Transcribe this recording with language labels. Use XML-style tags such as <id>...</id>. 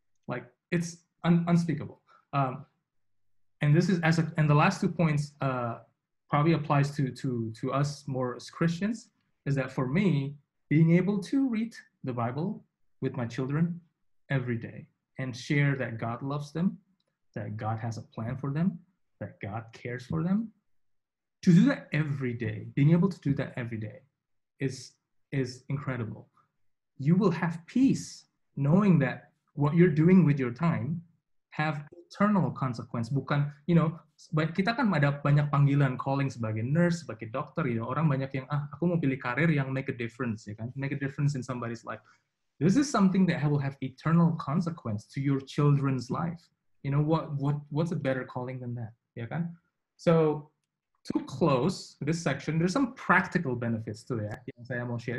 <en>Like, it's unspeakable. And this is the last two points probably applies to us more as Christians, is that for me, being able to read the Bible with my children every day and share that God loves them, that God has a plan for them, that God cares for them, to do that every day, being able to do that every day is incredible. You will have peace knowing that what you're doing with your time have eternal consequence.</en> <id>Bukan, you know, kita kan ada banyak panggilan, calling sebagai nurse, sebagai dokter, you know. Orang banyak yang, ah, aku mau pilih karir yang</id> <en>make a difference,</en> <id>ya kan?</id> <en>Make a difference in somebody's life. This is something that will have eternal consequence to your children's life. You know, what's a better calling than that,</en> <id>ya kan?</id> <en>So, to close this section, there's some practical benefits to that</en> <id>yang saya mau</id> <en>share.</en>